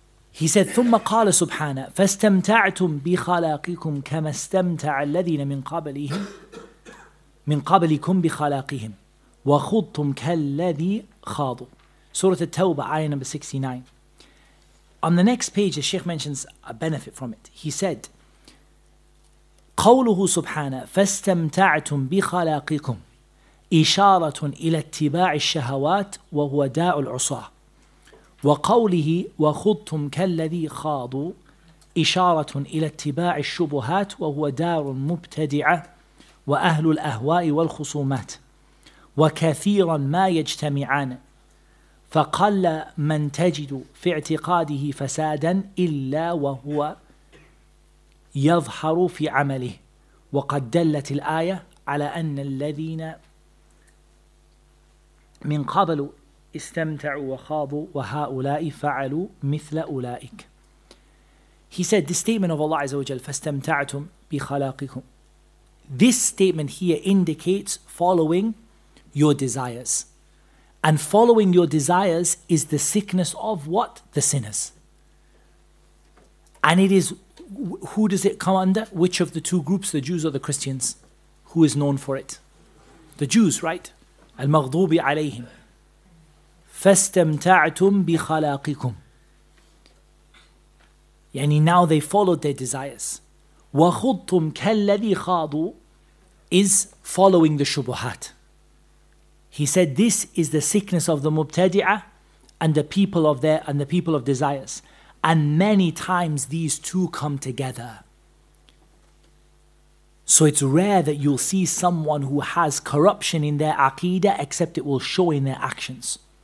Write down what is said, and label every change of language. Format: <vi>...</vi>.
<en>He said,</en> <ar>ثُمَّ قَالَ سُبْحَانَا فَاسْتَمْتَعْتُمْ بِخَلَاقِكُمْ كَمَا اسْتَمْتَعَ الَّذِينَ مِنْ قَبْلِكُمْ بِخَلَاقِهِمْ وَخُضْتُمْ كَالَّذِي خَاضُوا.</ar> <en>Surah At-Tawbah, ayah number 69. On the next page, the Sheikh mentions a benefit from it. He said,</en> <ar>قَوْلُهُ سُبْحَانَا فَاسْتَمْتَعْتُمْ بِخَلَاقِكُمْ إشارة إلى اتباع الشهوات وهو داء العصاة وقوله وخضتم كالذي خاضوا إشارة إلى اتباع الشبهات وهو دار مبتدعة وأهل الأهواء والخصومات وكثيرا ما يجتمعان فقل من تجد في اعتقاده فسادا إلا وهو يظهر في عمله وقد دلت الآية على أن الذين من قبل استمتعوا وخاضوا وهؤلاء فعلوا مثل أولئك.</ar> <en>He said the statement of Allah</en> <ar>عز وجل فاستمتعتم بخلاقكم.</ar> <en>This statement here indicates following your desires. And following your desires is the sickness of what? The sinners. And it is, who does it come under? Which of the two groups, the Jews or the Christians? Who is known for it? The Jews, right?</en> <ar>المغضوب عليهم فاستمتعتم بخلاقكم.</ar> <en>يعني now they followed their desires.</en> <ar>وخضتم كالذي خاضوا</ar> <en>is following the شبهات. He said this is the sickness of the مبتدعه and the people of their and the people of desires. And many times these two come together. So it's rare that you'll see someone who has corruption in their aqidah, except it will show in their actions.</en>